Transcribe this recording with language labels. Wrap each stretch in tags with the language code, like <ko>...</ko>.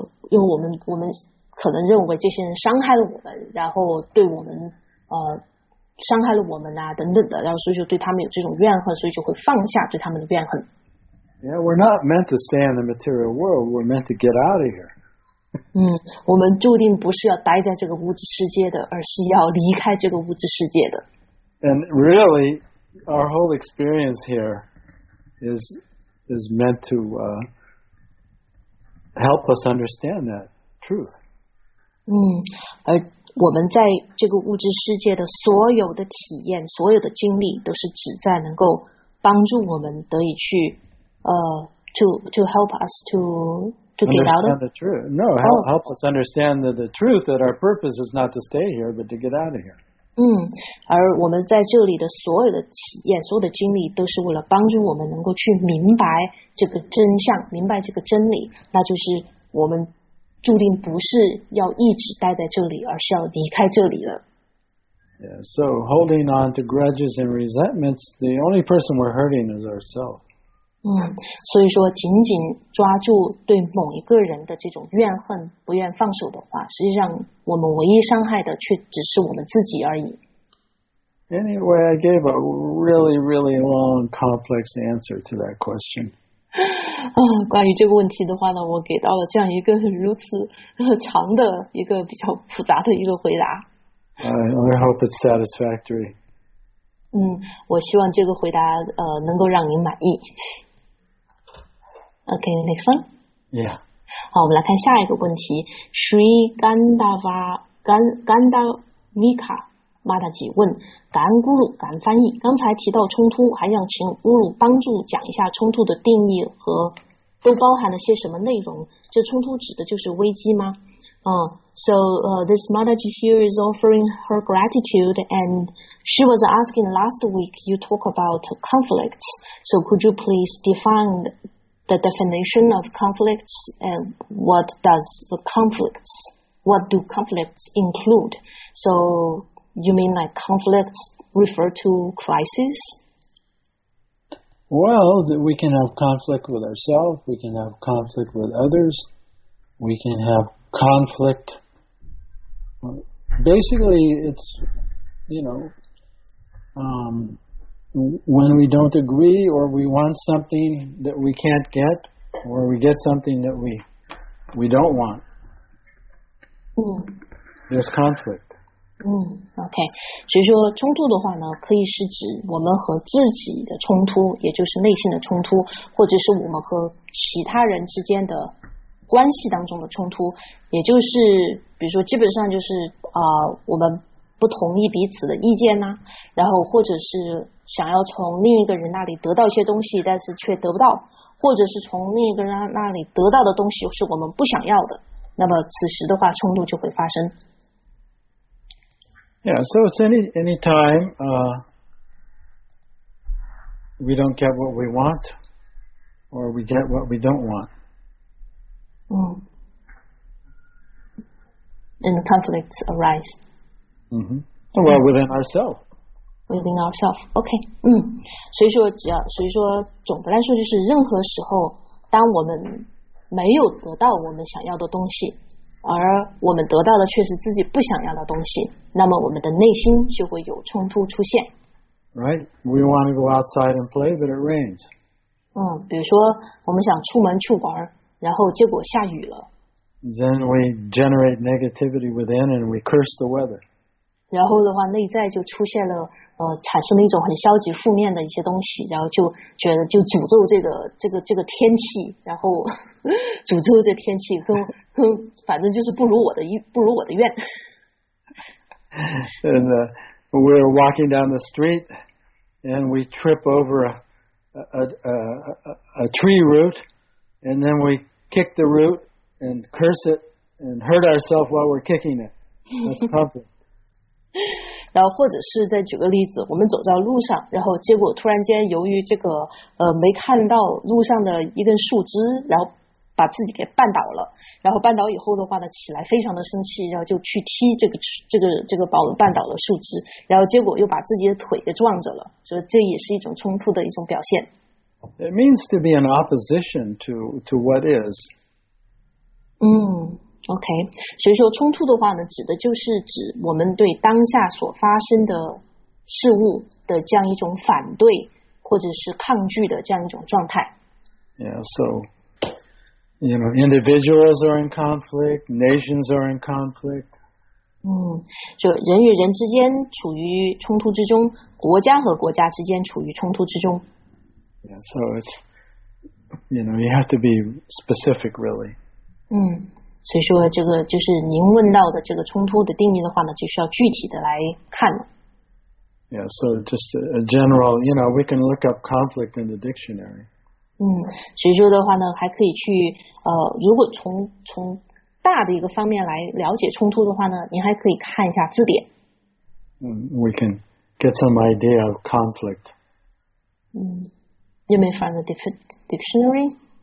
<zh>因为我们可能认为这些人伤害了我们，然后对我们伤害了我们啊等等的，然后所以就对他们有这种怨恨，所以就会放下对他们的怨恨。</zh> <en>Yeah, we're not meant to stay in the material world. We're meant to get out of here.</en> <zh>我们注定不是要待在这个物质世界的，而是要离开这个物质世界的。</zh> <en>And really, our whole experience here is meant to help us understand that truth.</en> <zh>而我们在这个物质世界的所有的体验、所有的经历，都是旨在能够帮助我们得以去。</zh> <en>To help us to understand the truth. No, help us understand the truth that our purpose is not to stay here, but to get out of here.</en> <zh>而我们在这里的所有的体验所有的经历都是为了帮助我们能够去明白这个真相明白这个真理那就是我们注定不是要一直待在这里而是要离开这里了</zh> <en>yeah, So holding on to grudges and resentments the only person we're hurting is ourselves</en> <zh>所以说仅仅抓住对某一个人的这种怨恨不愿放手的话实际上我们唯一伤害的却只是我们自己而已</zh> <en>Anyway, I gave a really, really long, complex answer to that question</en> <zh>关于这个问题的话呢我给到了这样一个如此长的一个比较复杂的一个回答</zh> <en>I hope it's satisfactory</en> <zh>我希望这个回答能够让您满意</zh> <en>Okay, next one Yeah</en> <zh>好，我们来看下一个问题。 Sri Gandhava Gandhavika Mataji 问：感恩咕噜，感恩翻译。刚才提到冲突，还想请咕噜帮助讲一下冲突的定义和都包含了些什么内容？这冲突指的就是危机吗？</zh> <en>So this Mataji here is offering her gratitude, and she was asking last week you talk about conflicts. So could you please define the definition of conflicts and what does the conflicts what do conflicts include so you mean like conflicts refer to crises well we can have conflict with ourselves we can have conflict with others we can have conflict basically it's you know when we don't agree or we want something that we can't get or we get something that we don't want there's conflict</en> <zh>okay 所以说冲突的话呢可以是指我们和自己的冲突也就是内心的冲突或者是我们和其他人之间的关系当中的冲突也就是比如说基本上就是我们不同意彼此的意见呢、啊、然后或者是想要从另一个人那里得到一些东西但是却得不到或者是从另一个人那里得到的东西是我们不想要的那么此时的话冲突就会发生</zh> <en>Yeah, so it's any time we don't get what we want or we get what we don't want And conflicts arise Mm-hmm. Well, within ourselves. Within ourselves. Okay.</en> <zh>所以说，总的来说就是，任何时候，当我们没有得到我们想要的东西，而我们得到的却是自己不想要的东西，那么我们的内心就会有冲突出现。</zh> <en>Right. We want to go outside and play, but it rains.</en> <zh>比如说，我们想出门去玩，然后结果下雨了。</zh> <en>Then we generate negativity within, and we curse the weather.</en> <zh>然后的话内在就出现了产生了一种很消极负面的一些东西然后就觉得就诅咒这个天气然后诅咒这天气跟反正就是不如我的愿。</zh> <en>And, we're walking down the street and we trip over a tree root and then we kick the root and curse it and hurt ourselves while we're kicking it. That's conflict.</en> <zh>然后或者是再举个例子我们走在路上然后结果突然间由于这个没看到路上的一根树枝然后把自己给绊倒了然后绊倒以后的话呢起来非常的生气然后就去踢这个把我们绊倒的树枝然后结果又把自己的腿给撞着了所以这也是一种冲突的一种表现</zh> <en>It means to be in opposition to what is</en> <zh>OK, 所以说冲突的话呢指的就是指我们对当下所发生的事物的这样一种反对或者是抗拒的这样一种状态。</zh> <en>Yeah, so, you know, individuals are in conflict, nations are in conflict.</en> <zh>就人与人之间处于冲突之中国家和国家之间处于冲突之中。</zh> <en>Yeah, so it's, you know, you have to be specific, really.</en> <zh>所以说这个就是您问到的这个冲突的定义的话呢就需要具体的来看了</zh> <en>Yeah, so just a general, you know, we can look up conflict in the dictionary</en> <zh>所以说的话呢，还可以去如果从大的一个方面来了解冲突的话呢，您还可以看一下字典。</zh> <en>We can get some idea of conflict. You may find the dictionary.</en>